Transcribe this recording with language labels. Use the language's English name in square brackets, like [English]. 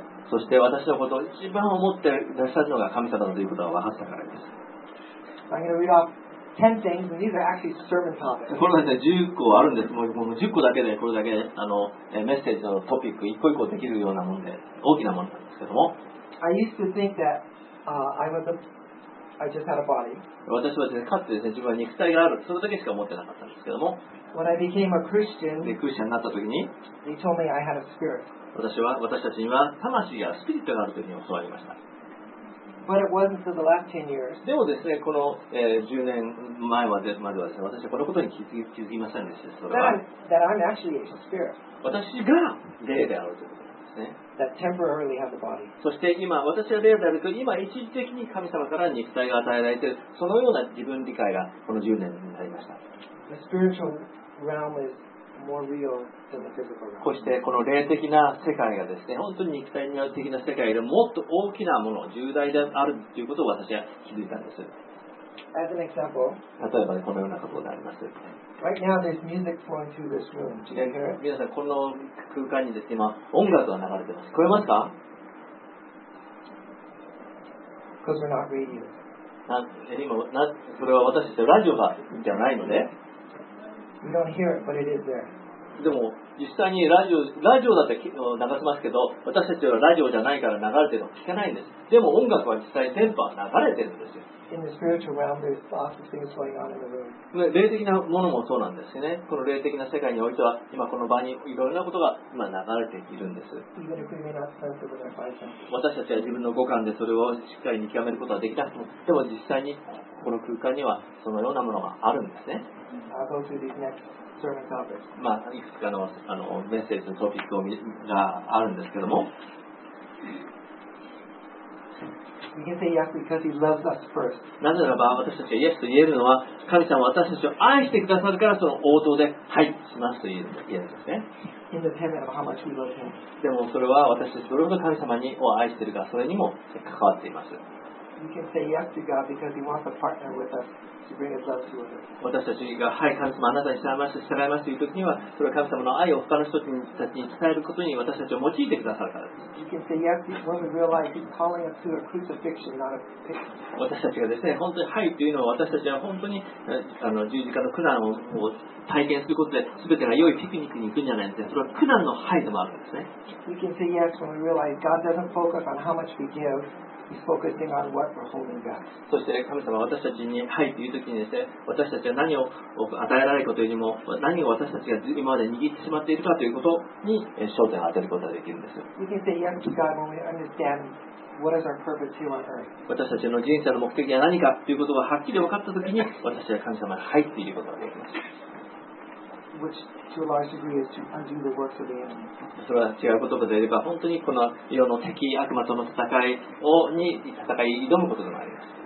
[Japanese] そして私のことを一番思っていらっしゃるのが神様だということが分かったからです。 [English] I'm going to read off 10 things, and these are actually sermon topics. [Japanese] これはですね、10個あるんです。もう、もう10個だけで、これだけあの、メッセージのトピック、一個一個できるようなもので、大きなものなんですけども。 [English] I used to think that, I just had a body. [Japanese] 私はですね、かつてですね、自分は肉体がある、それだけしか思ってなかったんですけども。 [English] When I became a Christian, [Japanese] で、クリスチャンになった時に、 [English] they told me I had a spirit. [Japanese] 私は、私たちには魂やスピリットがあるというふうに教わりました。 [English] But it wasn't for the last 10 years. [Japanese] でもですね、この、10年前まで、まではですね、私はこのことに気づきませんでした。それは、 [English] that I'm actually a spirit. [Japanese] 私が霊であるということですね。 [English] That temporarily has a body. [Japanese] そして今、私は霊であると、今一時的に神様から肉体が与えられている、そのような自分理解がこの10年になりました。 [English] The spiritual realm is more real than the physical realm. [Japanese] こうしてこの霊的な世界がですね、本当に肉体による的な世界よりもっと大きなもの、重大であるということを私は気づいたんです。 [English] As an example, [Japanese] 例えば、ね、このようなことであります。 [English] Right now there's music flowing through this room. [Japanese] 皆さん、この空間にですね、今音楽が流れてます。聞こえますか？ [English] Because we're not radio. [Japanese] それは私たちラジオではないので。 [English] We don't hear it, but it is there. [Japanese] でも実際にラジオだって流しますけど、私たちはラジオじゃないから流れてるのを聞けないんです。でも音楽は実際電波は流れてるんですよ。 [English] In the spiritual realm, there's lots of things going on in the room. [Japanese] 霊的なものもそうなんですね。この霊的な世界においては、今この場にいろんなことが今流れているんです。私たちは自分の五感でそれをしっかり見極めることはできなくても、でも実際にこの空間にはそのようなものがあるんですね。まあ、いくつかの、あのメッセージのトピックがあるんですけども。 [English] We can say yes because he loves us first. [Japanese] なぜならば私たちがイエスと言えるのは神様は私たちを愛してくださるからその応答ではいしますと言えるんですね。 [English] Independent of how much we love him. [Japanese] でもそれは私たちどれほど神様を愛しているかそれにも関わっています。 [English] We can say yes to God because he wants to partner with us. [Japanese] 私たちがはい神様あなたに従いますという時にはそれは神様の愛を他の人たちに伝えることに私たちを用いてくださるからです。私たちがですね本当にはいというのは私たちは本当にあの十字架の苦難を体験することで全てが良いピクニックに行くんじゃないんです。それは苦難のはいでもあるんですね。 [English] We can say yes when we realize God doesn't focus on how much we give. He's focusing on what we're holding back. [Japanese] そして神様は私たちにはいという時にですね、私たちは何を与えられることよりも何を私たちが今まで握ってしまっているかということに焦点を当てることができるんです。私たちの人生の目的は何かということがはっきり分かった時に私は神様にはいということができます。 [English] Which, to a large degree, is to undo the works of the enemy. [Japanese] それは違う言葉で言えば、本当にこの世の敵、悪魔との戦いをに戦い挑むことでもあります。